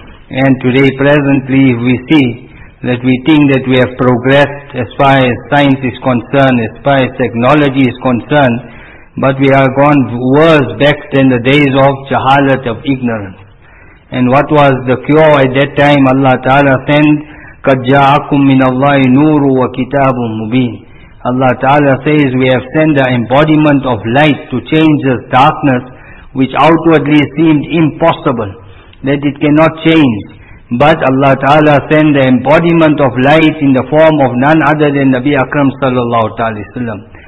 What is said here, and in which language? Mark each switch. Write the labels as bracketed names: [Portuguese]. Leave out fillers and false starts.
[English] And today, presently, we see that we think that we have progressed as far as science is concerned, as far as technology is concerned, but we are gone worse back than the days of jahalat, of ignorance. And what was the cure at that time? Allah Ta'ala sent, [Arabic] قَدْ جَاءَكُمْ مِنَ اللَّهِ نُورُ وَكِتَابٌ مُبِينٌ. [English] Allah Ta'ala says, we have sent the embodiment of light to change the darkness which outwardly seemed impossible, that it cannot change. But Allah Ta'ala sent the embodiment of light in the form of none other than Nabi Akram sallallahu alayhi wa sallam.